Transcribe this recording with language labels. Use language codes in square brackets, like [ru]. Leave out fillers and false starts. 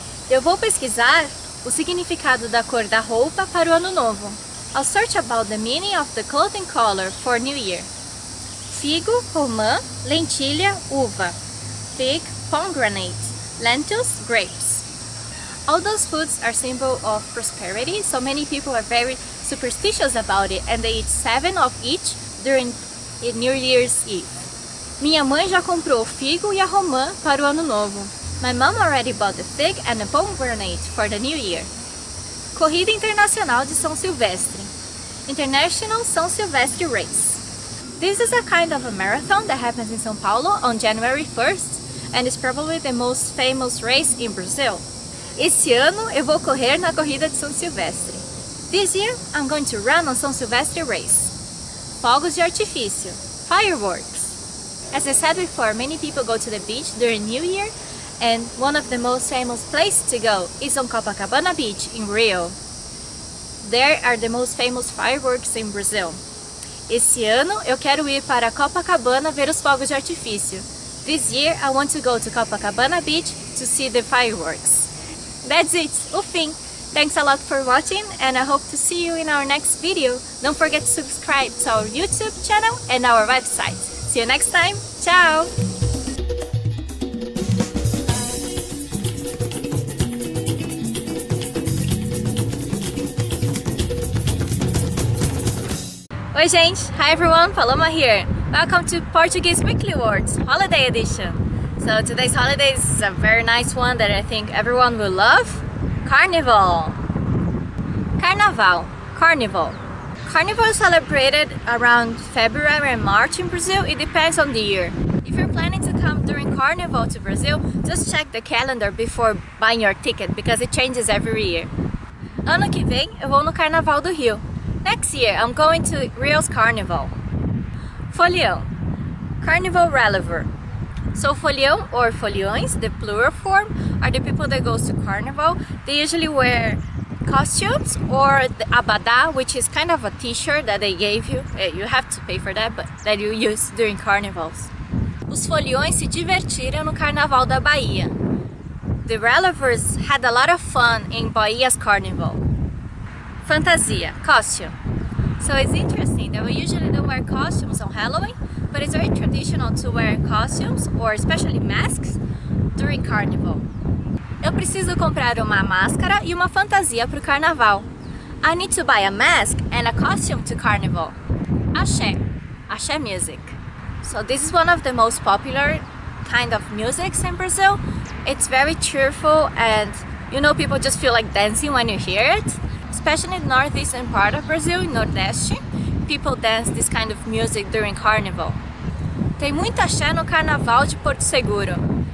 [pt] Eu vou pesquisar o significado da cor da roupa para o Ano Novo. [en] I'll search about the meaning of the clothing color for New Year. [pt] Figo, romã, lentilha, uva. Fig, pomegranate. [en] Lentils, grapes. All those foods are symbol of prosperity, so many people are very superstitious about it and they eat 7 of each during New Year's Eve. [pt] Minha mãe já comprou o figo e a romã para o Ano Novo. [en] My mom already bought the fig and the pomegranate for the New Year. Corrida Internacional de São Silvestre. International São Silvestre Race. This is a kind of a marathon that happens in São Paulo on January 1st and is probably the most famous race in Brazil. [pt] Este ano eu vou correr na Corrida de São Silvestre. [en] This year, I'm going to run on São Silvestre Race. Fogos de artifício. Fireworks. As I said before, many people go to the beach during New Year and one of the most famous places to go is on Copacabana Beach in Rio. There are the most famous fireworks in Brazil. [pt] Este ano eu quero ir para Copacabana ver os fogos de artifício. [en] This year, I want to go to Copacabana Beach to see the fireworks. That's it, o fim. Thanks a lot for watching and I hope to see you in our next video. Don't forget to subscribe to our YouTube channel and our website. See you next time. Tchau! Oi, gente! Hi, everyone! Paloma here. Welcome to Portuguese Weekly Words Holiday Edition. So today's holiday is a very nice one that I think everyone will love. Carnival. Carnaval. Carnival. Carnival is celebrated around February and March in Brazil. It depends on the year. If you're planning to come during Carnival to Brazil, just check the calendar before buying your ticket because it changes every year. [pt] Ano que vem, eu vou no Carnaval do Rio. [en] Next year, I'm going to Rio's Carnival. Folião. Carnival Reliver. So folião or foliões, the plural form, are the people that go to carnival. They usually wear costumes or the abadá, which is kind of a t-shirt that they gave you. You have to pay for that, but that you use during carnivals. [pt] Os foliões se divertiram no carnaval da Bahia. [en] The relevers had a lot of fun in Bahia's carnival. Fantasia, costume. So it's interesting that we usually don't wear costumes on Halloween, but it's very traditional to wear costumes, or especially masks, during carnival. [pt] Eu preciso comprar uma máscara e uma fantasia para o carnaval. [en] I need to buy a mask and a costume to carnival. Axé. Axé music. So this is one of the most popular kind of musics in Brazil. It's very cheerful and, you know, people just feel like dancing when you hear it. Especially in the northeastern part of Brazil, in Nordeste. People dance this kind of music during carnival. [pt] Tem muito axé no carnaval de Porto Seguro.